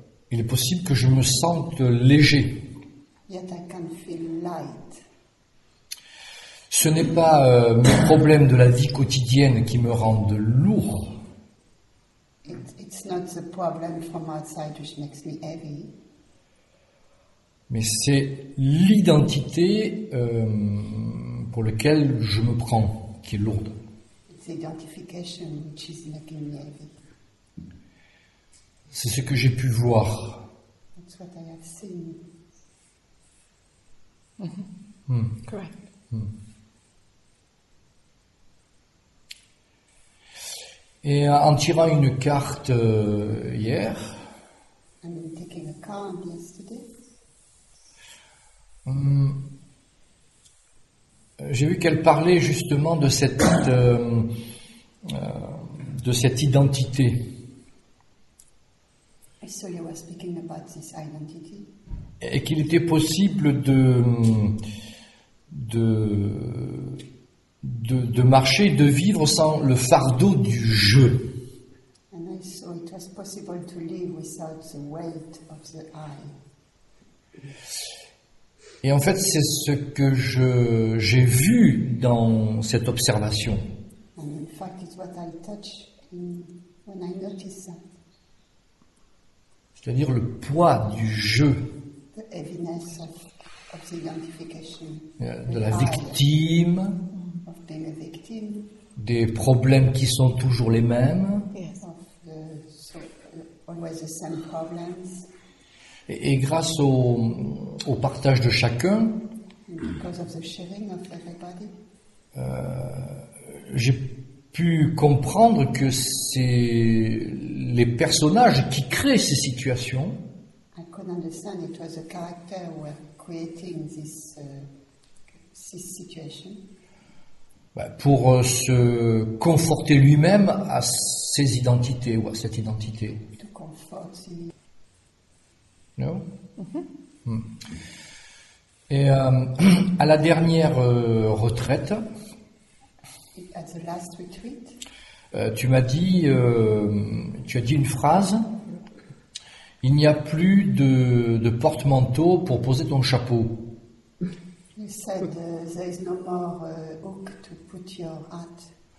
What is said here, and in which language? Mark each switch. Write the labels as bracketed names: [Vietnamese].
[French] Il est possible que je me sente léger. [English] Yet I can feel light. [French] Ce n'est pas mes problèmes de la vie quotidienne qui me rendent lourd. [English] It's not the problem from outside which makes me heavy. [French] Mais c'est l'identité pour laquelle je me prends qui est lourde. [English] It's identification which is making me heavy. [French] C'est ce que j'ai pu voir. [English] That's what I have seen. Mm-hmm. Correct. [French] Et en tirant une carte hier, [English] I'm taking a card yesterday. [French] J'ai vu qu'elle parlait justement de cette identité. [English] So you were speaking about this identity. [French] Et qu'il était possible de marcher, de vivre sans le fardeau du jeu. [English] And I saw it was possible to live without the weight of the I. [French] Et en fait, c'est ce que j'ai vu dans cette observation. [English] And in fact, it's what I touched when I noticed that. [French] C'est-à-dire le poids du jeu. [English] The heaviness of the identification. [French] De la victime. [English] Of being a victim. [French] Des problèmes qui sont toujours les mêmes. [English] Yes. Of the, so, always the same problems. [French] Et grâce au partage de chacun. [English] And because of the sharing of everybody. [French] J'ai pu comprendre que c'est les personnages qui créent ces situations. [English] I could understand it was the character who were creating this situation. [French] Pour se conforter lui-même à ses identités ou à cette identité. [English] To comfort the... No? Mm-hmm. [French] Et à la dernière retraite, [English] at the last retreat, [French] tu as dit une phrase. Il n'y a plus de porte-manteau pour poser ton chapeau. [English] You said there is no more hook to put your hat.